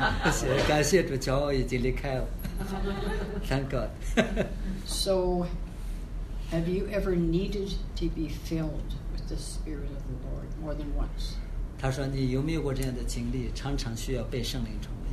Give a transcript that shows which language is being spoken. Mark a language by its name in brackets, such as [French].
[Chinese] 谢谢，感谢主，骄傲已经离开了。 [English] Thank God. So, have you ever needed to be filled with the Spirit of the Lord more than once? [Chinese] 他说你有没有过这样的经历，常常需要被圣灵充满？